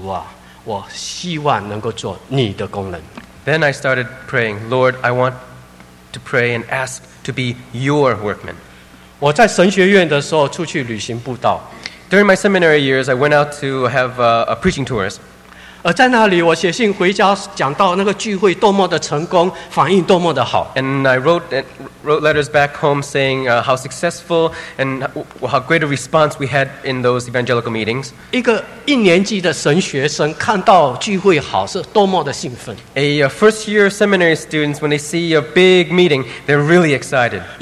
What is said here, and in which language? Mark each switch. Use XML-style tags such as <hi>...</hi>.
<zh>我开始祷告，主啊，我希望能够做你的工人。</zh> <en>Then I started praying, Lord, I want to pray and ask to be your workman.</en> <zh>我在神学院的时候出去旅行布道。</zh> <en>During my seminary years, I went out to have a preaching tours.</en> <zh>而在那里我写信回家讲到那个聚会多么的成功，反应多么的好。</zh> <en>And I wrote letters back home saying how successful and how great a response we had in those evangelical meetings.</en> <zh>一个一年级的神学生看到聚会好是多么的兴奋。</zh> <en>A first year seminary students, when they see a big meeting, they're really excited.</en>